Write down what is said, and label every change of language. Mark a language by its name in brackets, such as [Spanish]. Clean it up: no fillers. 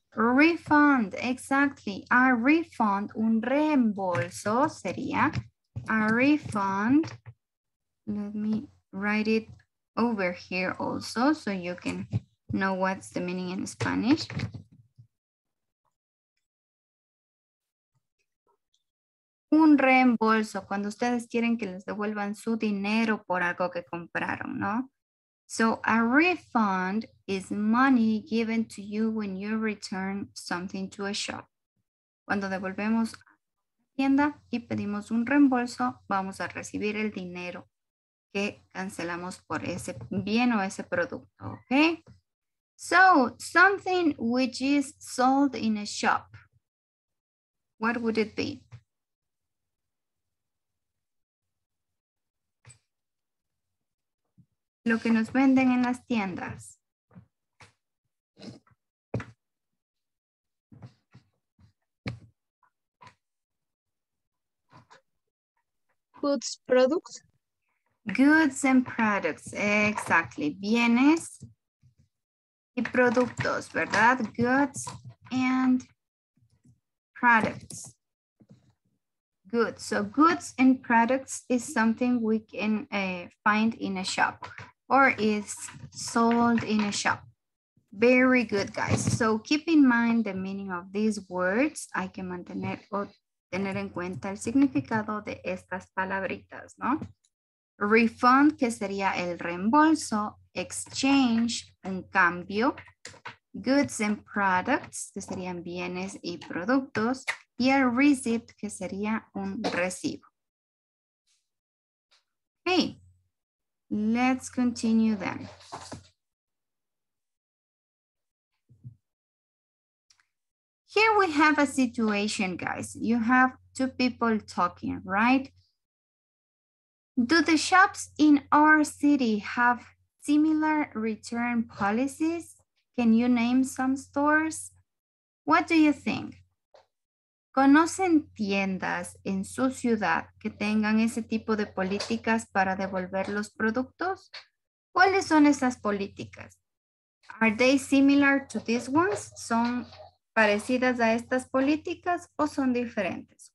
[English] Refund, exactly. A refund, [Spanish] un reembolso sería. [English] A refund. Let me write it over here also, so you can know what's the meaning in Spanish. [Spanish] Un reembolso, cuando ustedes quieren que les devuelvan su dinero por algo que compraron, ¿no? [English] So a refund is money given to you when you return something to a shop. [Spanish] Cuando devolvemos a la tienda y pedimos un reembolso, vamos a recibir el dinero que cancelamos por ese bien o ese producto, okay? [English] So, something which is sold in a shop, what would it be? [Spanish] Lo que nos venden en las tiendas. [English] Goods, products. Goods and products, exactly. [Spanish] Bienes y productos, ¿verdad? [English] Goods and products. Good. So goods and products is something we can find in a shop or is sold in a shop. Very good, guys. So keep in mind the meaning of these words. [Spanish] Hay que mantener o tener en cuenta el significado de estas palabritas, ¿no? Refund, que sería el reembolso, exchange, un cambio, goods and products, que serían bienes y productos, y el receipt, que sería un recibo. [English] Okay, let's continue then. Here we have a situation, guys. You have two people talking, right? Do the shops in our city have similar return policies? Can you name some stores? What do you think? [Spanish] ¿Conocen tiendas en su ciudad que tengan ese tipo de políticas para devolver los productos? ¿Cuáles son esas políticas? [English] Are they similar to these ones? [Spanish] ¿Son parecidas a estas políticas o son diferentes?